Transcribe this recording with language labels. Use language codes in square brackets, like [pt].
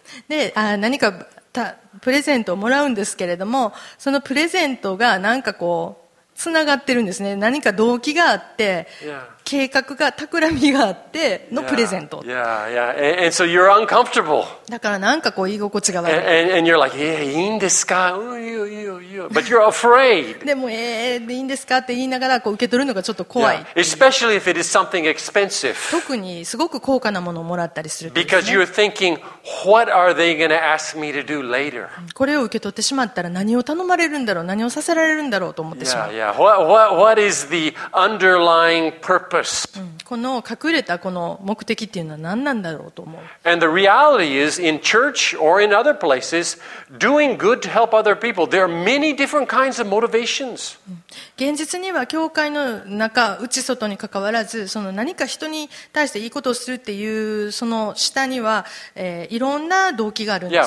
[ja] で、何かプレゼントをもらうんですけれども、そのプレゼントがなんかこうつながってるんですね。何か動機があって。計画が企みがあってのプレゼント。 [en] And so you're uncomfortable. [ja] だからなんかこう居心地が悪い。 [en] And you're like, yeah, [ja] いいんですか、 [en] you. But you're afraid. [ja] でもいいんですかって言いながらこう受け取るのがちょっと怖 い, い。 [en] Yeah. Especially if it is something expensive. [ja] 特にすごく高価なものをもらったりするとですね。 [en] Because you're thinking, what are they going to ask me to do later? [ja] これを受け取ってしまったら何を頼まれるんだろう、何をさせられるんだろうと思ってしまう。 [en] What is the underlying purpose? [ja] この隠れたこの目的っていうのは何なんだろうと思う。 [en] And the reality is, in church or in other places, doing good to help other people, there are many different kinds of motivations. [ja] 現実には教会の中、内外に関わらず、その何か人に対していいことをするっていうその下には、いろんな動機があるんですね。